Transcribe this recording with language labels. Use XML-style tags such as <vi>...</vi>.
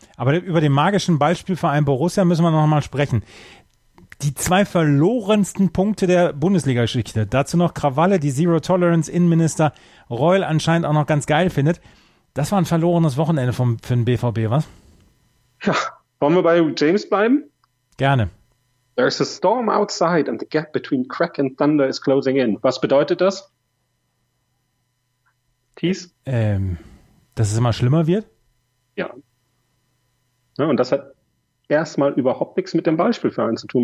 <de>Aber über den magischen Ballspielverein Borussia müssen wir nochmal sprechen. Die zwei verlorensten Punkte der Bundesliga-Geschichte. Dazu noch Krawalle, die Zero-Tolerance-Innenminister Reul anscheinend auch noch ganz geil findet. Das war ein verlorenes Wochenende für den BVB, was? Ja, wollen wir bei James bleiben? Gerne.</de> <en>There's a storm outside and the gap between crack and thunder is closing in.</en> <de>Was bedeutet das? Thies? Dass es immer schlimmer wird? Ja. Ja. Und das hat erstmal überhaupt nichts mit dem Ballspielverein zu tun.</de>